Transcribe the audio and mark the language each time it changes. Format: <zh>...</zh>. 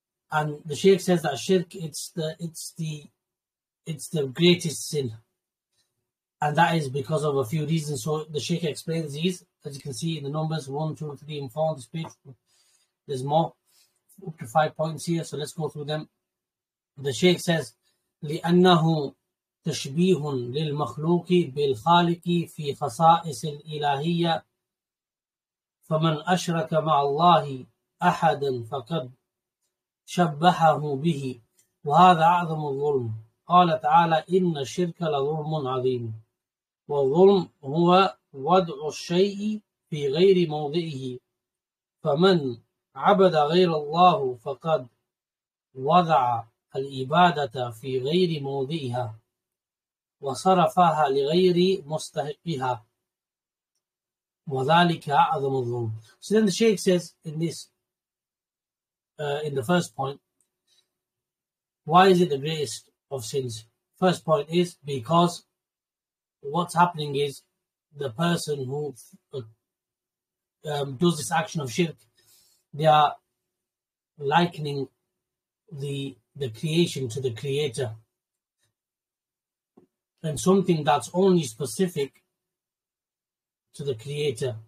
<en>And the Shaykh says that shirk, it's the greatest sin. And that is because of a few reasons. So the Shaykh explains these, as you can see in the numbers, 1, 2, 3, and 4. There's more, up to 5 points here. So let's go through them. The Shaykh says,</en> <ar>لِأَنَّهُ تَشْبِيهٌ لِلْمَخْلُوقِ بِالْخَالِقِ فِي خَصَائِصِ الْإِلَهِيَّةِ فَمَنْ أَشْرَكَ مَعَ اللَّهِ أَحَدًا فَقَدْ شَبَّحَهُ بِهِ وَهَذَا أَعْظَمُ الظُّلْمُ. قال تعالى إن الشرك لظلم عظيم والظلم هو وضع الشيء في غير موضعه فمن عبد غير الله فقد وضع العبادة في غير موضعها وصرفها لغير مستحقها وذلك أعظم الظلم.</ar> <en>So then the Shaykh says in this, in the first point, why is it the greatest of sins? First point is because what's happening is the person who does this action of shirk, they are likening the creation to the creator, and something that's only specific to the creator.</en>